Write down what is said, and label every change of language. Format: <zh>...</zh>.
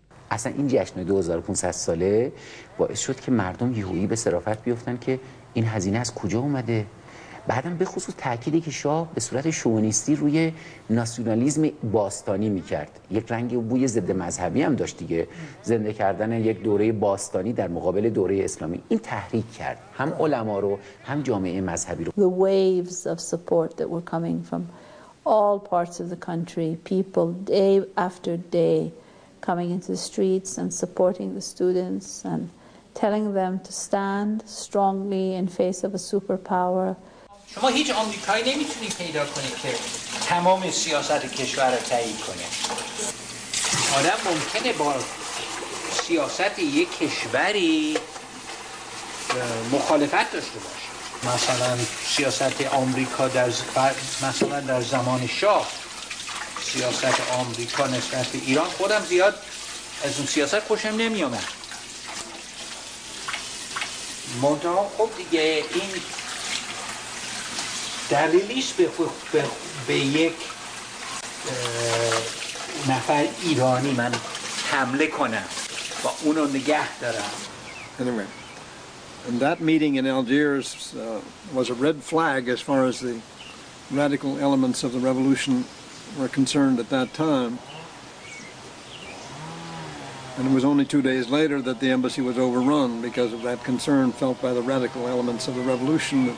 <fa>اصلا این جشن 2500 ساله باعث شد که مردم یهویی به صرافت بیفتن که این هزینه از کجا اومده. بعدم به خصوص تأکیدی که شاه به صورت شوونیستی روی ناسیونالیسم باستانی میکرد، یک رنگ و بوی ضد مذهبی هم داشت دیگه، زنده کردن یک دوره باستانی در مقابل دوره اسلامی، این تحریک کرد هم علما رو هم جامعه مذهبی رو.</fa> <en>The waves of support that were coming from all parts of the country, people day after day coming into the streets and supporting the students and telling them to stand strongly in face of a superpower.</en> <fa>شما هیچ آمریکایی نمیتونی پیدا کنی که تمام سیاست کشور رو تایید کنه. آدم ممکنه با سیاست یک کشوری مخالفت داشته باشه. مثلا سیاست آمریکا در زمان شاه، سیاست آمریکا نسبت به ایران، خودم زیاد از اون سیاست خوشم نمیومد. مدام خب دیگه این دلیلیش به یک نفر ایرانی من حمله کنم و اونو نگه دارم.</fa> <en>Anyway. And that meeting in Algiers was a red flag as far as the radical elements of the revolution were concerned at that time. And it was only 2 days later that the embassy was overrun because of that concern felt by the radical elements of the revolution.</en>